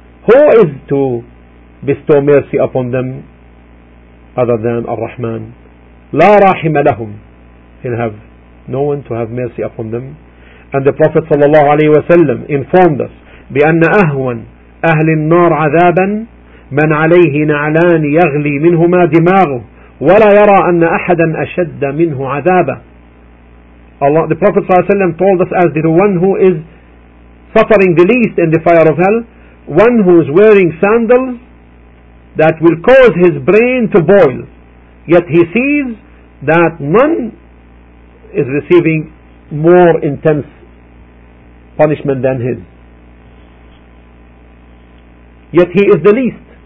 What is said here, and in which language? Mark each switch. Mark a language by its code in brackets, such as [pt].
[en] Who is to bestow mercy upon them other than Ar-Rahman? [ar] لا رحم لهم. [en] He'll have no one to have mercy upon them. And the Prophet ﷺ informed us [ar] بأن أهون أهل النار عذابا من عليه نعلان يغلي منهما دماغه ولا يرى أن أحدا أشد منه عذابا. [en] Allah, the Prophet صلى الله عليه وسلم told us as the one who is suffering the least in the fire of hell, one who is wearing sandals that will cause his brain to boil, yet he sees that none is receiving more intense punishment than his, yet he is the least.